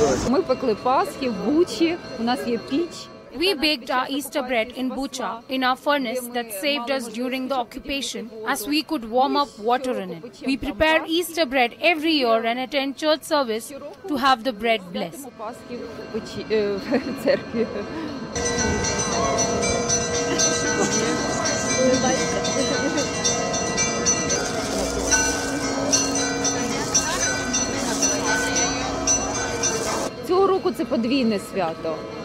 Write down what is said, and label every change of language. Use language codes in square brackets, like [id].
[uk] Ми пекли Пасхи в Бучі, у нас є піч. [en] We baked our Easter bread in Bucha, in our furnace that saved us during the occupation, as we could warm up water in it. We prepare Easter bread every year and attend church service to have the bread blessed. [uk] Цього року це подвійне свято.